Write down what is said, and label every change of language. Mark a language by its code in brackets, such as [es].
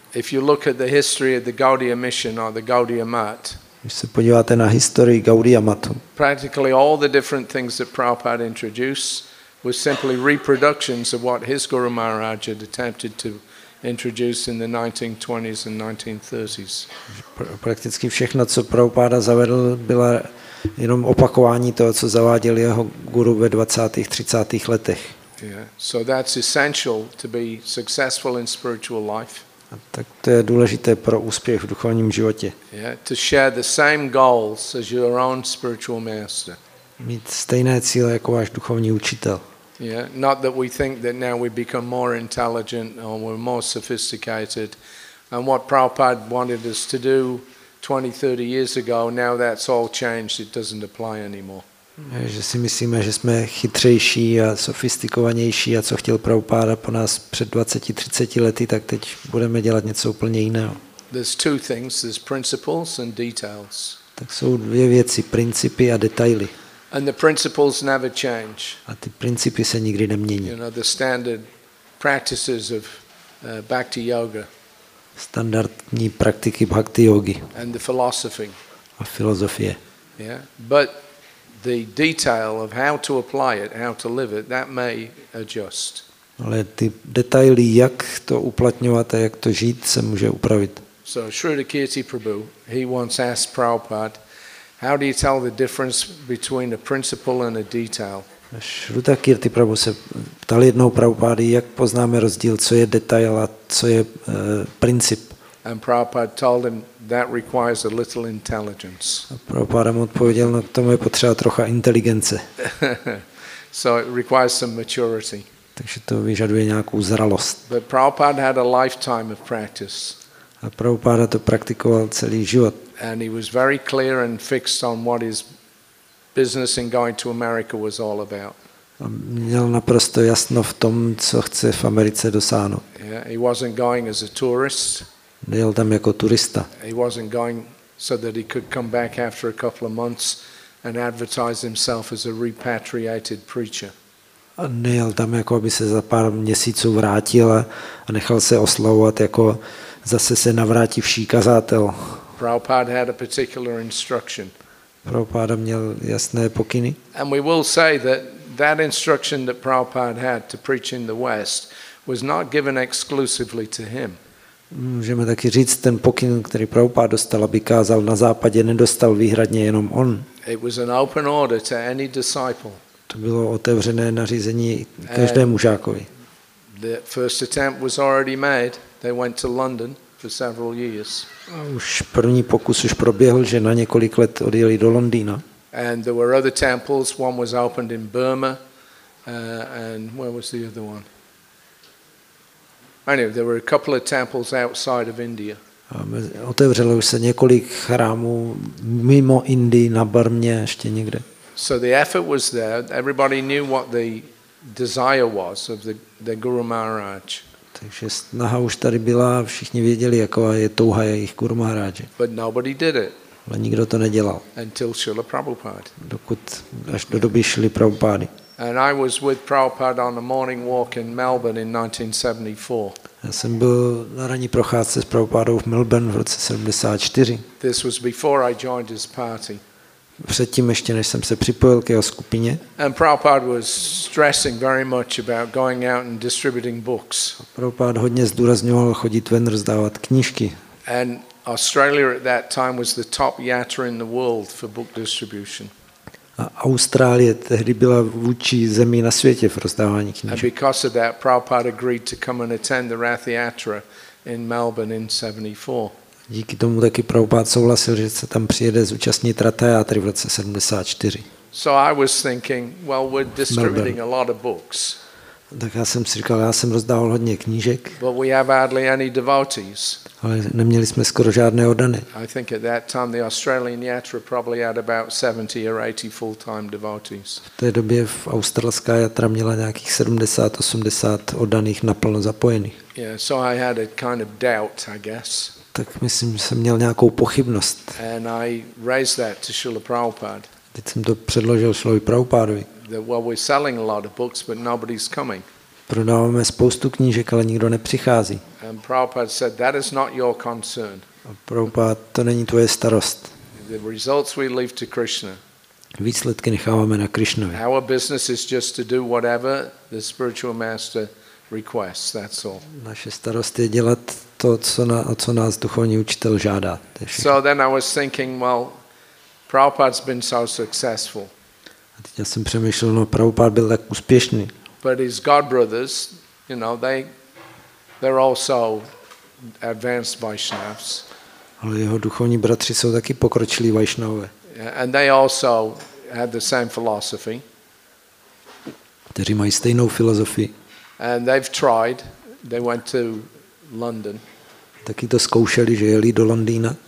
[en] If you look at the history of the Gaudiya Mission or the Gaudiya Math. [cs] Když se podíváte na historii Gaudiya Mathu. [en] Practically all the different things that Prabhupada introduced were simply reproductions of what his Guru Maharaj had attempted to introduce in the 1920s and 1930s. [cs] Prakticky všechno, co Prabhupáda zavedl, byla jenom opakování toho, co zaváděl jeho guru ve 20. 30. letech. [en] Yeah. So that's essential to be successful in spiritual life. [cs] A tak to je důležité pro úspěch v duchovním životě. [en] Yeah. To share the same goals as your own spiritual master. [cs] Mít stejné cíle jako váš duchovní učitel. [en] Yeah. Not that we think that now we become more intelligent or we're more sophisticated. And what Prabhupada wanted us to do 20-30 years ago, now that's all changed, it doesn't apply anymore. [cs] Že si myslíme, že jsme chytřejší a sofistikovanější a co chtěl Prabhupáda po nás před 20-30 lety, tak teď budeme dělat něco úplně jiného. [en] There's two things, there's principles and details. [cs] Tak jsou dvě věci, principy a detaily. [en] And the principles never change. [cs] A ty principy se nikdy nemění. [en] You know, the standard practices of Bhakti Yoga. [cs] Standardní praktiky bhakti yogi [en] and the philosophy [cs] a filozofie. [en] Yeah, but the detail of how to apply it, how to live it, that may adjust. [cs] Ale ty detaily, jak to uplatňovat a jak to žít, se může upravit. [en] So Shrutakirti Prabhu, he once asked Prabhupada, how do you tell the difference between a principle and a detail? [cs] Shrutakirti Prabhu se ptal jednou Prabhupády, jak poznáme rozdíl, co je detail a co je princip. [en] And Prabhupada told him that requires a little intelligence. [cs] A Prabhupáda mu odpověděl, no k tomu je potřeba trocha inteligence. [en] So it requires some maturity. [cs] Takže to vyžaduje nějakou zralost. [en] But Prabhupada had a lifetime of practice. [cs] A Prabhupada to praktikoval celý život. [en] And he was very clear and fixed on what his business in going to America was all about. [cs] A měl naprosto jasno v tom, co chce v Americe dosáhnout. [en] Yeah, he wasn't going as a tourist. [cs] Nejel tam jako turista. [en] He wasn't going so that he could come back after a couple of months and advertise himself as a repatriated preacher. [cs] A nejel tam jako aby se za pár měsíců vrátil a nechal se oslovovat jako zase se navrátivší kazatel. [en] Prabhupada had a particular instruction. [cs] Prabhupada měl jasné pokyny. [en] And we will say that that instruction that Prabhupada had to preach in the West was not given exclusively to him. [cs] Můžeme taky říct, ten pokyn, který Prabhupada dostal, aby kázal na západě, nedostal výhradně jenom on. [en] It was an open order to any disciple. [cs] To bylo otevřené nařízení každému žákovi. [en] The first attempt was already made. They went to London for several years. [cs] A už první pokus už proběhl, že na několik let odjeli do Londýna. [en] And there were other temples. One was opened in Burma, and where was the other one? Anyway, there were a couple of temples outside of India. [cs] Otevřelo se několik chrámů mimo Indii na Burmě ještě někde. [en] So the effort was there. Everybody knew what the desire was of the Guru Maharaj. [cs] Takže snaha už tady byla, všichni věděli, jaká je touha jejich Guru Maharaje. [en] But nobody did it. [cs] Ale nikdo to nedělal. [en] Until Srila Prabhupada. [cs] Dokud až do doby Srily Prabhupady. [en] And I was with Prabhupada on a morning walk in Melbourne in 1974. [cs] Já jsem byl na ranní procházce s Prabhupádou v Melbourne v roce 74. [en] This was before I joined his party. [cs] Předtím ještě než jsem se připojil k jeho skupině. [en] And Prabhupada was stressing very much about going out and distributing books. [cs] Prabhupada hodně zdůrazňoval chodit ven rozdávat knížky. [en] And Australia at that time was the top yatra in the world for book distribution. [cs] A Austrálie tehdy byla vůdčí zemí na světě v rozdávání knížek. [en] And because of that, Prabhupada agreed to come and attend the Ratha Yatra in Melbourne in 74. [cs] Díky tomu taky Prabhupada souhlasil, že se tam přijede zúčastnit Ratha Yatry v roce 74. [en] So I was thinking, well, we're distributing a lot of books. [cs] Tak já jsem si říkal, já jsem rozdával hodně knížek. [en] But we have hardly any devotees. [cs] Ale neměli jsme skoro žádné oddany. [en] I think at that time the Australian Yatra probably had about 70 or 80 full-time devotees. [cs] V té době v australská jatra měla nějakých 70-80 oddaných naplno zapojených. [en] Yeah, so I had a kind of doubt, I guess. [cs] Tak myslím, že jsem měl nějakou pochybnost. [en] And I raised that to Srila Prabhupada. [cs] Teď jsem to předložil Srilovi Prabhupádovi. [en] That well, we're selling a lot of books, but nobody's coming. [cs] Prodáváme spoustu knížek, ale nikdo nepřichází. [en] And Prabhupada said, that is not your concern. [cs] A Prabhupada, to není tvoje starost. [en] The results we leave to Krishna. [cs] Výsledky necháváme na Krishnovi. [en] Our business is just to do whatever the spiritual master requests, that's all. [cs] Naše starost je dělat to, co nás duchovní učitel žádá. [en] So then I was thinking, well, Prabhupada's been so successful. [cs] A teď já jsem přemýšlel, no Prabhupada byl tak úspěšný. [en] But his god brothers, you know, they're also advanced Vaishnavs. [cs] Ale jeho duchovní bratři jsou taky pokročilí Vaishnavové. [en] And they also had the same philosophy. [cs] Kteří mají stejnou filozofii. [en] And they've tried. They went to London. [cs] Taky to zkoušeli, že jeli do Londýna.